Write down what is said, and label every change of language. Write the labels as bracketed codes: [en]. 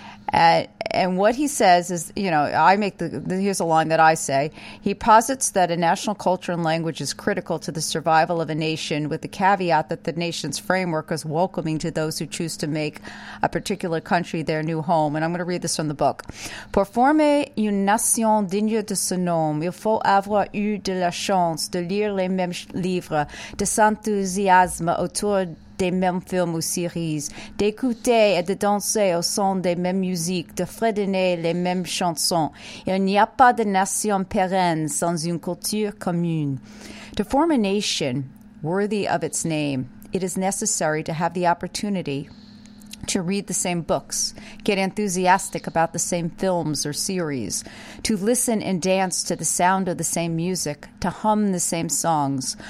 [en] And what he says is, here's a line that I say. He posits that a national culture and language is critical to the survival of a nation, with the caveat that the nation's framework is welcoming to those who choose to make a particular country their new home. And I'm going to read this from the book. [fr] Pour former une nation digne de ce nom, il faut avoir eu de la chance de lire les mêmes livres, de s'enthousiasme autour des mêmes films ou séries, d'écouter et de danser au son des mêmes musiques, de fredonner les mêmes chansons. Il n'y a pas de nation pérenne sans une culture commune. [en] To form a nation worthy of its name, it is necessary to have the opportunity to read the same books, get enthusiastic about the same films or series, to listen and dance to the sound of the same music, to hum the same songs.